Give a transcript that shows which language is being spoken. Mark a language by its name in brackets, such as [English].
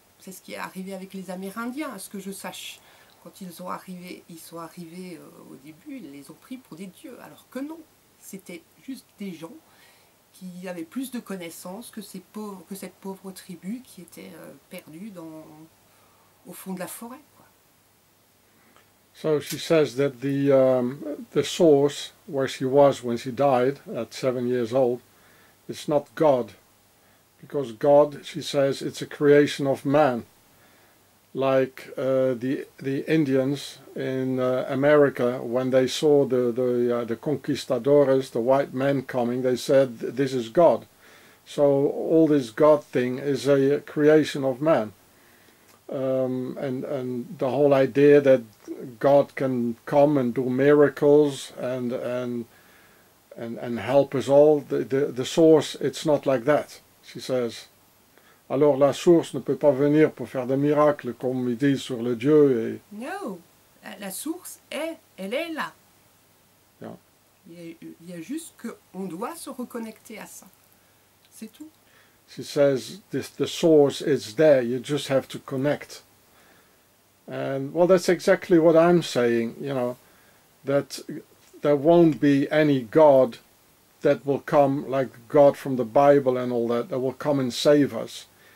[French] C'est ce qui est arrivé avec les Amérindiens, à ce que je sache. Quand ils sont arrivés au début, ils les ont pris pour des dieux, alors que non, c'était juste des gens qui avaient plus de connaissances que ces pauvres, que cette pauvre tribu qui était perdue au fond de la forêt. [English] So she says that the source where she was when she died at 7 years old, it's not God, because God, she says, it's a creation of man, like the Indians in America, when they saw the conquistadores, the white men coming, they said this is God. So all this God thing is a creation of man. And the whole idea that God can come and do miracles and help us all, the source, it's not like that, she says. [French] Alors la source ne peut pas venir pour faire des miracles comme ils disent sur le Dieu. Et no, la source elle est là. [English] Yeah. [French] Il y a juste qu'on doit se reconnecter à ça, c'est tout. [English] She says the source is there, you just have to connect. And well, that's exactly what I'm saying, you know, that there won't be any God that will come like God from the Bible and all that will come and save us.